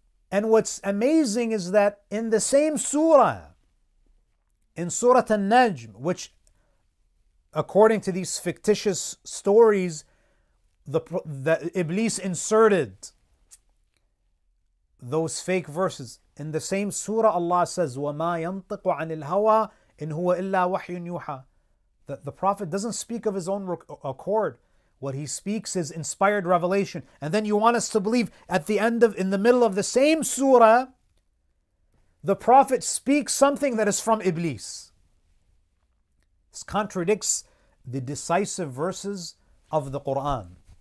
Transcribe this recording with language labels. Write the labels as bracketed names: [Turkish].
[English] And what's amazing is that in the same surah, in Surah An-Najm, which according to these fictitious stories, the Iblis inserted those fake verses. In the same surah, Allah says, [Arabic] وَمَا يَنطِقُ عَنِ الْهَوَىٰ إِنْ هُوَ إِلَّا وَحْيٌ يُوحَىٰ. [English] The prophet doesn't speak of his own accord. What he speaks is inspired revelation. And then you want us to believe at the end of, in the middle of the same surah, the prophet speaks something that is from Iblis. This contradicts the decisive verses of the Quran.